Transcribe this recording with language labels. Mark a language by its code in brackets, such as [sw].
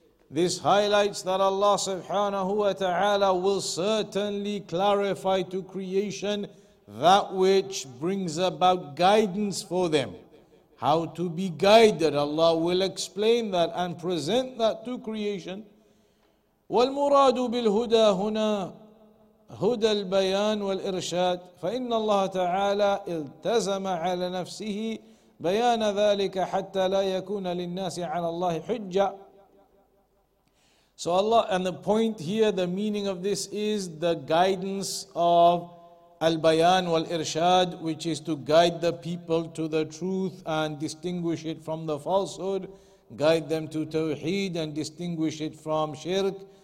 [en] This highlights that Allah subhanahu wa ta'ala will certainly clarify to creation that which brings about guidance for them. How to be guided, Allah will explain that and present that to creation. [ar] والمراد بالهدى هنا هدى البيان والإرشاد فإن الله تعالى التزم على نفسه بيان ذلك حتى لا يكون للناس على الله حجة. [en] So Allah, and the point here, the meaning of this is the guidance of Al-Bayan wal-Irshad, which is to guide the people to the truth and distinguish it from the falsehood, guide them to Tawheed and distinguish it from Shirk.